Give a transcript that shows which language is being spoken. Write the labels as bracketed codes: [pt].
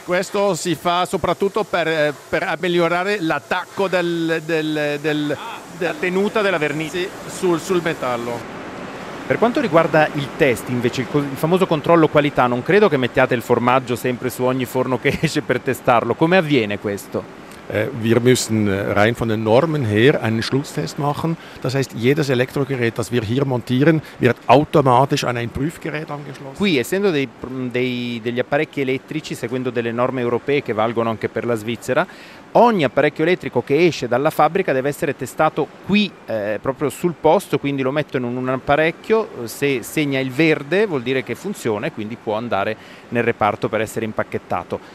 [it] Questo si fa soprattutto per migliorare l'attacco la tenuta della vernice, sì, sul metallo. Per quanto riguarda il test, invece, il famoso controllo qualità, non credo che mettiate il formaggio sempre su ogni forno che esce per testarlo. Come avviene questo? [de] Wir müssen rein von den Normen her einen Schlusstest machen. Das heißt, jedes Elektrogerät, das wir hier montieren, wird automatisch an ein Prüfgerät angeschlossen. [it] Qui, essendo degli apparecchi elettrici, seguendo delle norme europee che valgono anche per la Svizzera, ogni apparecchio elettrico che esce dalla fabbrica deve essere testato qui, proprio sul posto, quindi lo mettono in un apparecchio, se segna il verde vuol dire che funziona e quindi può andare nel reparto per essere impacchettato.